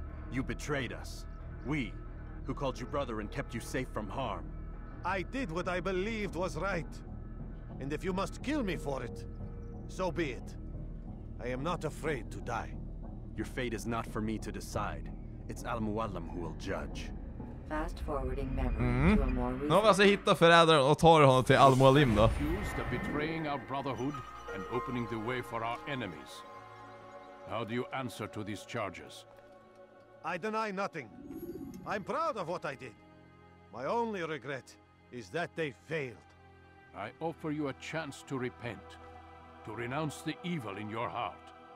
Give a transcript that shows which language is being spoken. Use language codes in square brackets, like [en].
[en] You betrayed us. We, who called you brother and kept you safe from harm. I did what I believed was right. And if you must kill me for it, so be it. I am not afraid to die. Your fate is not for me to decide. It's Al-Muallam who will judge. Fast forwarding memory to a more... [sv] Nu har vi alltså hittat förrädaren och tar honom till Al-Muallim då. [en] ...accused of betraying our brotherhood and opening the way for our enemies. How do you answer to these charges? I deny nothing. I'm proud of what I did. My only regret is that they failed. I offer you a chance to repent. To renounce the evil in your heart.